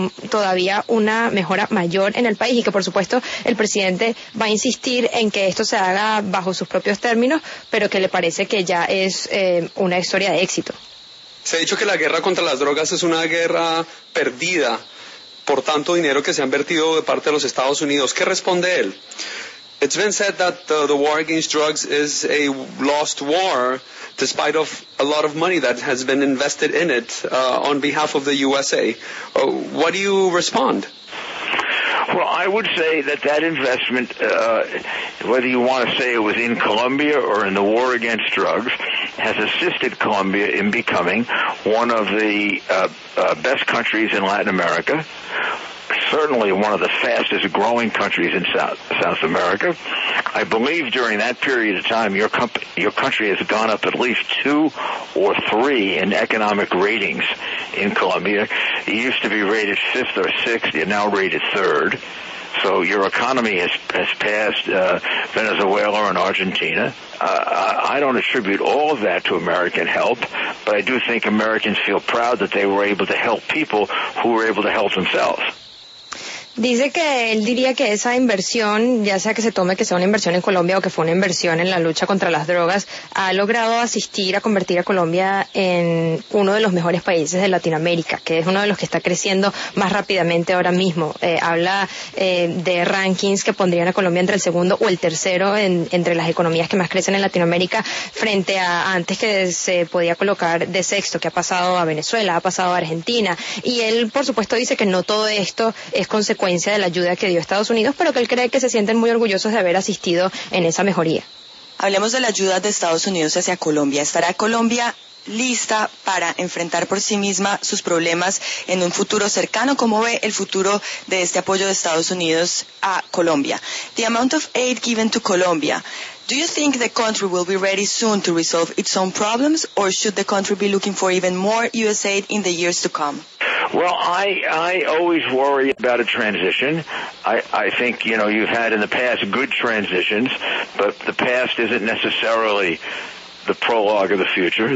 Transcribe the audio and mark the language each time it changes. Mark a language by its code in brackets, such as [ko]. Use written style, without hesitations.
[es] todavía una mejora mayor en el país y que por supuesto el presidente va a insistir en que esto se haga bajo sus propios términos, pero que le parece que ya es una historia de éxito. Se ha dicho que la guerra contra las drogas es una guerra perdida por tanto dinero que se ha invertido de parte de los Estados Unidos. ¿Qué responde él? [en] It's been said that the war against drugs is a lost war despite of a lot of money that has been invested in it on behalf of the USA. What do you respond? Well, I would say that investment, whether you want to say it was in Colombia or in the war against drugs, has assisted Colombia in becoming one of the best countries in Latin America, certainly one of the fastest growing countries in South America. I believe during that period of time your country has gone up at least 2 or 3 in economic ratings in Colombia. You used to be rated 5th or 6th, you're now rated 3rd. So your economy has passed Venezuela and Argentina. I don't attribute all of that to American help, but I do think Americans feel proud that they were able to help people who were able to help themselves. [es] Dice que él diría que esa inversión, ya sea que se tome que sea una inversión en Colombia o que fue una inversión en la lucha contra las drogas, ha logrado asistir a convertir a Colombia en uno de los mejores países de Latinoamérica, que es uno de los que está creciendo más rápidamente ahora mismo. Habla de rankings que pondrían a Colombia entre el segundo o el tercero entre las economías que más crecen en Latinoamérica, frente a antes que se podía colocar de sexto, que ha pasado a Venezuela, ha pasado a Argentina. Y él, por supuesto, dice que no todo esto es consecuencia de la ayuda que dio Estados Unidos, pero que él cree que se sienten muy orgullosos de haber asistido en esa mejoría. Hablemos de la ayuda de Estados Unidos hacia Colombia. ¿Estará Colombia lista para enfrentar por sí misma sus problemas en un futuro cercano? ¿Cómo ve el futuro de este apoyo de Estados Unidos a Colombia? [en] The amount of aid given to Colombia. Do you think the country will be ready soon to resolve its own problems, or should the country be looking for even more U.S. aid in the years to come? Well, I always worry about a transition. I think, you know, you've had in the past good transitions, but the past isn't necessarily the prologue of the future.